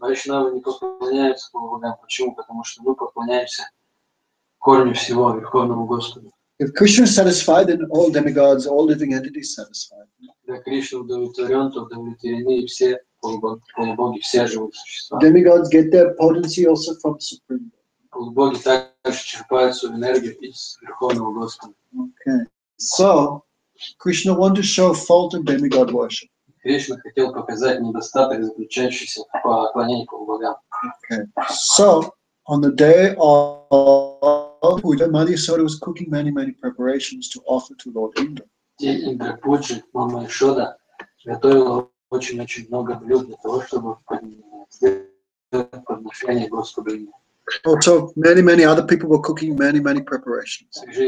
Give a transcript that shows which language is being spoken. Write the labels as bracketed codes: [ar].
[ru] Vaishnavas не поклоняются богам. Почему? Потому что мы поклоняемся корню всего, Верховному Господу. [en] If Krishna is satisfied, then all demigods, all living entities satisfied. [ru] Для Кришны удовлетворен, то удовлетворены и все полубоги, все живые существа. [en] Demigods get their potency also from the Supreme Lord. [ru] Полубоги также черпают свою энергию из Верховного Господа. [en] Okay. So, Krishna wanted to show fault of demigod worship. [ru] Кришна хотел показать недостаток, заключающийся в поклонении полубогам. [en] Okay. So, on the day of Puja, Mother Yashoda was cooking many, many preparations to offer to Lord Indra. [ru] День Индра Пуджи, Мама Йошода, готовила очень-очень много блюд для того, чтобы сделать подношение Господу Индре. [en] Also, many, many other people were cooking many, many preparations.